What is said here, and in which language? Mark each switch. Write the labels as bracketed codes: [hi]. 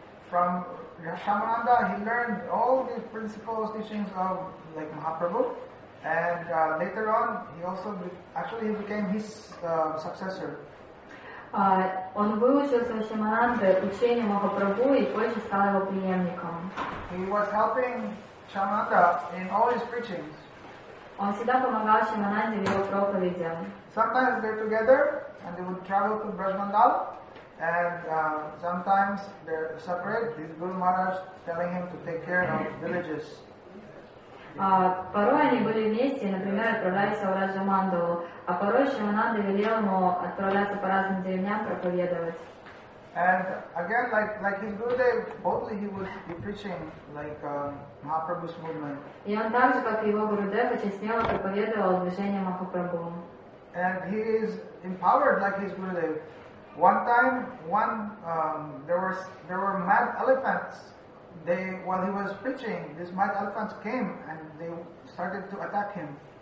[en] From Shamananda, he learned all the principles, teachings of like Mahaprabhu, and later on, he also actually he became his successor. [ru] Он выучился у Шамананды учение Махапрабху и позже стал его преемником. [en] He was helping Shamananda in all his preachings. [ru] Он всегда помогал Шамананде в его проповеди. [en] Sometimes they're together, and they would travel to Brajmandala. And sometimes they're separate. This Guru Maharaj telling him to take care of villages. [ru] Порой они были вместе, например, отправлялись в Раджамандалу, а порой Шамананда велел ему отправляться по разным деревням проповедовать. [en] And again, like his Gurudev, boldly he would be preaching like Mahaprabhu's movement. [ru] И он также, как его Гурудев, очень смело проповедовал движение Махапрабху. [en] And he is empowered like his Gurudev. One time, there were mad elephants. They while he was preaching, these mad elephants came and they started to attack him.